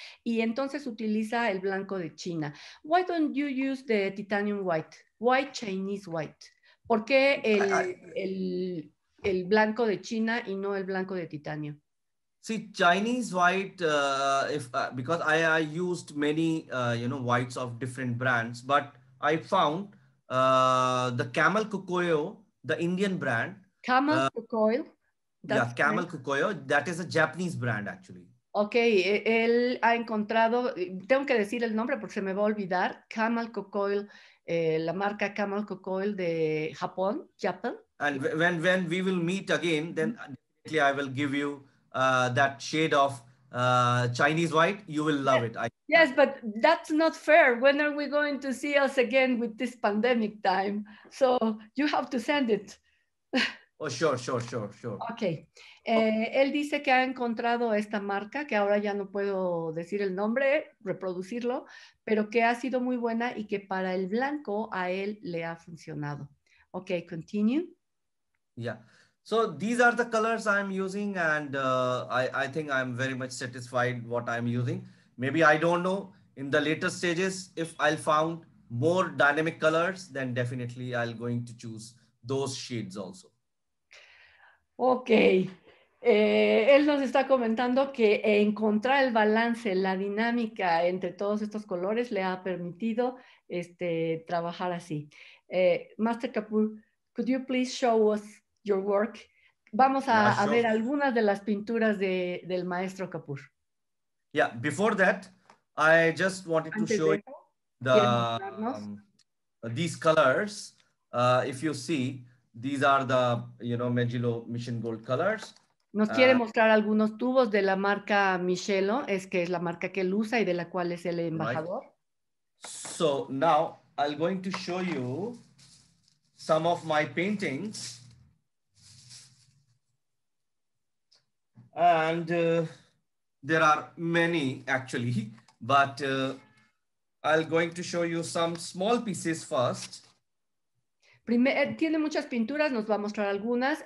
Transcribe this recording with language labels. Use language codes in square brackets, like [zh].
[es] Y entonces utiliza el blanco de China. [en] Why don't you use the titanium white? Why Chinese white? [es] ¿Por qué el blanco de China y no el blanco de titanio? [en] See, Chinese white, because I used many, whites of different brands, but I found the Camel Cocoyo, the Indian brand. Camel Cocoyo? Yeah, Camel Cocoyo, that is a Japanese brand, actually. [es] Okay, él ha encontrado, tengo que decir el nombre porque se me va a olvidar, Camel Cocoyo, la marca Camel Cocoyo de Japón, Japan. [en] And when we will meet again, then definitely I will give you that shade of Chinese white, you will love it. Yes, but that's not fair. When are we going to see us again with this pandemic time? So you have to send it. Oh, sure. Okay. [es] Él dice que ha encontrado esta marca, que ahora ya no puedo decir el nombre, reproducirlo, pero que ha sido muy buena y que para el blanco a él le ha funcionado. [en] Okay, continue. Yeah. So these are the colors I'm using, and I think I'm very much satisfied what I'm using. Maybe I don't know in the later stages if I'll found more dynamic colors, then definitely I'll going to choose those shades also. Okay. [es] Él nos está comentando que encontrar el balance, la dinámica entre todos estos colores le ha permitido trabajar así. [en] Master Kapoor, could you please show us your work? [es] Vamos a ver algunas de las pinturas del maestro Kapoor. [en] Yeah, before that, I just wanted [es] Antes [en] to show you the these colors. If you see, these are the, Mejillo Mission Gold colors. [es] Nos quiere mostrar algunos tubos de la marca Mejillo, es que es la marca que él usa y de la cual es el embajador. [en] Right. So now I'm going to show you some of my paintings. And there are many, actually, but I'll going to show you some small pieces first. [es] Tiene muchas pinturas, nos va a mostrar algunas.